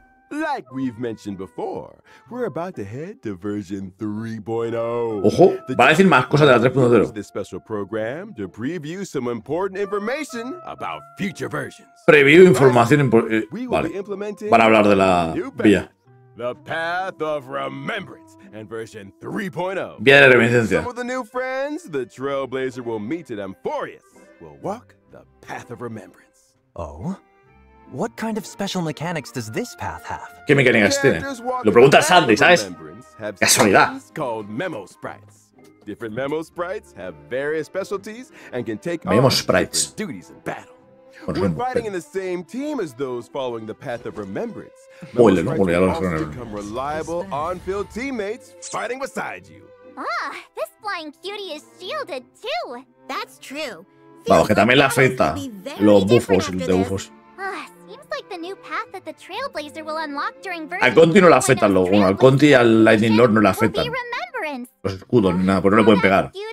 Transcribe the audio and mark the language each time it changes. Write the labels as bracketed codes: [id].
[en] Like we've mentioned before, we're about to head to version 3.0. [es] Ojo, va a decir más cosas de la 3.0. [en] This special program to preview some important information about future versions. [es] Preview información vale. Van a hablar de la vía. [en] The path of remembrance and version 3.0. [es] Vía de reminiscencia. [en] Some of the new friends the Trailblazer will meet at Emporius will walk the path of remembrance. Oh. What kind of special mechanics does this path have? [es] ¿Qué mecánicas tiene? Lo pregunta Sandy, ¿sabes? Casualidad. [en] Called memo sprites. Different memo sprites have various specialties and can take memo sprites duties in battle. We're fighting in the same team as those following the path of remembrance. Become reliable on-field teammates fighting beside you. Ah, this flying cutie is shielded too. That's true. [es] Vamos, que también le afecta los bufos, de bufos. [en] Seems like the new path that the Trailblazer will unlock during [es] version. Al Conti no le afecta, lo bueno, al Conti y al Lightning Lord no le afecta. Los escudos ni nada, pero no le pueden pegar.